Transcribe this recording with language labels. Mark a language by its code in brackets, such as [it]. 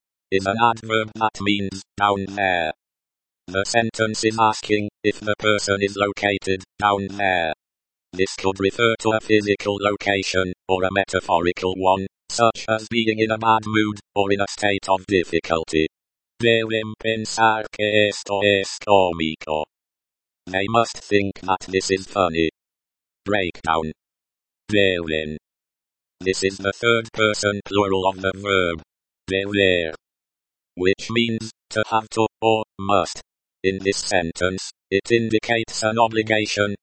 [en] is an adverb that means down there. The sentence is asking if the person is located down there. This could refer to a physical location, or a metaphorical one, such as being in a bad mood, or in a state of difficulty. [es] Deben pensar que esto es cómico. [en] They must think that this is funny. Breakdown. [es] Deben. [en] This is the third person plural of the verb. [es] Deber. [en] Which means, to have to, or, must. In this sentence, it indicates an obligation,